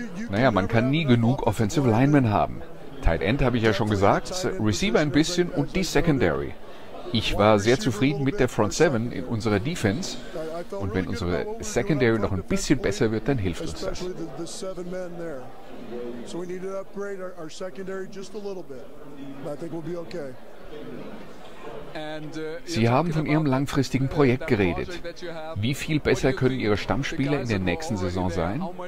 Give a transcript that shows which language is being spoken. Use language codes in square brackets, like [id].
[de] Naja, man kann nie genug Offensive Linemen haben. Tight End habe ich ja schon gesagt, Receiver ein bisschen und die Secondary. Ich war sehr zufrieden mit der Front 7 in unserer Defense. Und wenn unsere Secondary noch ein bisschen besser wird, dann hilft uns das. [en] So we need to upgrade our secondary just a little bit. I think we'll be okay. [de] Sie haben von Ihrem langfristigen Projekt geredet. Wie viel besser können Ihre Stammspieler in der nächsten Saison sein?